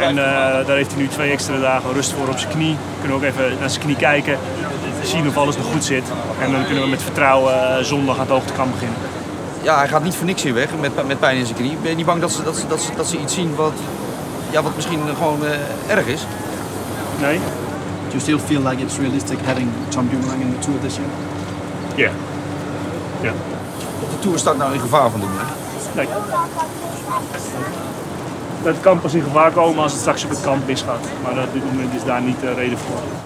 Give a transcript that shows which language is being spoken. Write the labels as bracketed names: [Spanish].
[Dutch] En daar heeft hij nu 2 extra dagen rust voor op zijn knie. We kunnen ook even naar zijn knie kijken, zien of alles nog goed zit. En dan kunnen we met vertrouwen zondag aan het hoogtekamp beginnen. Ja, hij gaat niet voor niks hier weg met pijn in zijn knie. Ben je niet bang dat ze iets zien wat misschien gewoon erg is? Nee. [English] Do you still feel like it's realistic having Tom Dumoulin in the Tour this year? Yeah. [Dutch] De Tour staat nou in gevaar van Dumoulin? Nee. Het kan pas in gevaar komen als het straks op het kamp misgaat. Maar op dit moment is daar niet de reden voor.